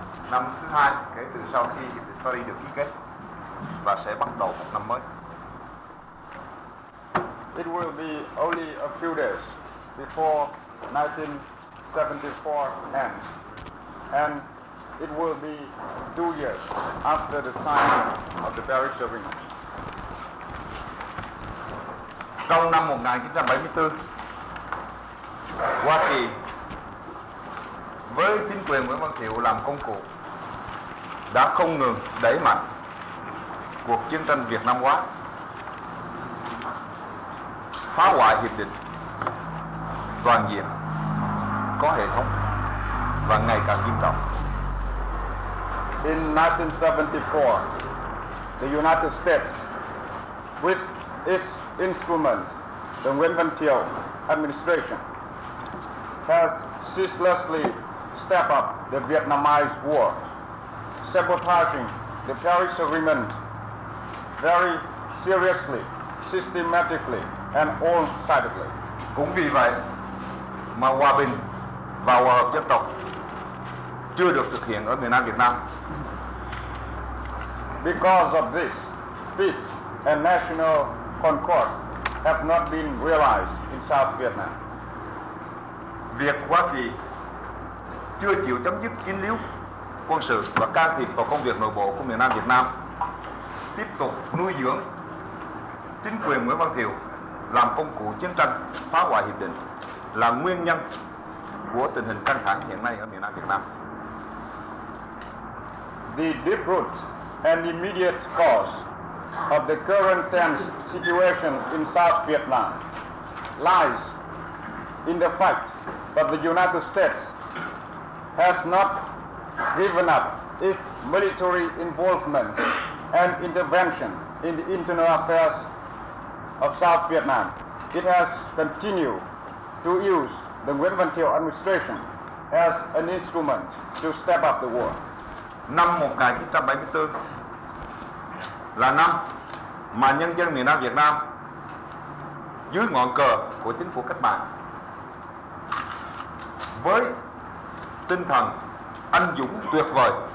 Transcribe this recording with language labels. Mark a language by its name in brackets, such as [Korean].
[Vietnamese] năm thứ hai kể từ sau khi Hiệp định Paris được ký kết và sẽ bắt đầu một năm mới. [English] It will be only a few days before 1974 ends, and it will be 2 years after the signing of the Paris Agreement. [Vietnamese] Trong năm 1974, Hoa Kỳ với chính quyền Nguyễn Văn Thiệu làm công cụ đã không ngừng đẩy mạnh cuộc chiến tranh Việt Nam hóa, phá hoại hiệp định toàn diện, có hệ thống và ngày càng nghiêm trọng. [English] In 1974, the United States, with its instrument, the Nguyễn Văn Thiệu administration, has ceaselessly stepped up the Vietnamese war, sabotaging the Paris Agreement very seriously, systematically, and all-sidedly. [Vietnamese] Cũng vì vậy mà hòa bình và hòa hợp dân tộc chưa được thực hiện ở miền Nam Việt Nam. [English] Because of this, peace and national concord have not been realized in South Vietnam. [Vietnamese] Việc Hoa Kỳ chưa chịu chấm dứt chiến lưu quân sự và can thiệp vào công việc nội bộ của miền Nam Việt Nam, tiếp tục nuôi dưỡng chính quyền Nguyễn Văn Thiệu làm công cụ chiến tranh, phá hoại hiệp định, là nguyên nhân của tình hình căng thẳng hiện nay ở miền Nam Việt Nam. [English] The deep root and immediate cause of the current tense situation in South Vietnam lies in the fact that the United States has not given up its military involvement and intervention in the internal affairs of South Vietnam. It has continued to use the Nguyễn Văn Thiệu administration as an instrument to step up the war. [Vietnamese] Năm 1974 là năm mà nhân dân miền Nam Việt Nam dưới ngọn cờ của chính phủ cách mạng với tinh thần anh dũng tuyệt vời